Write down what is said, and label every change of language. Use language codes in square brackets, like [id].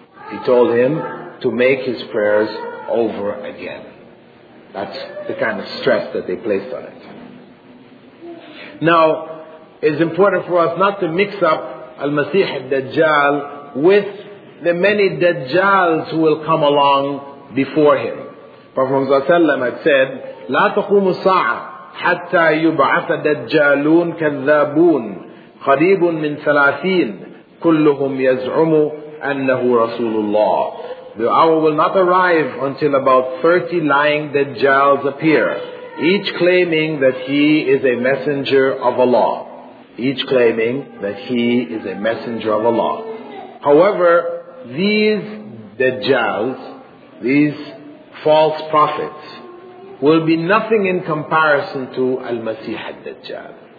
[en] He told him to make his prayers over again. That's the kind of stress that they placed on it. Now, it's important for us not to mix up Al-Masih al-Dajjal with the many Dajjals who will come along before him. Prophet ﷺ had said, [ar] لا تقوم الساعة حتى يبعث دجالون كذابون قريب من ثلاثين كلهم يزعم أنه رسول الله. [en] The hour will not arrive until about 30 lying Dajjals appear, each claiming that he is a messenger of Allah. Each claiming that he is a messenger of Allah. However, these Dajjals, these false prophets, will be nothing in comparison to Al-Masih al-Dajjal.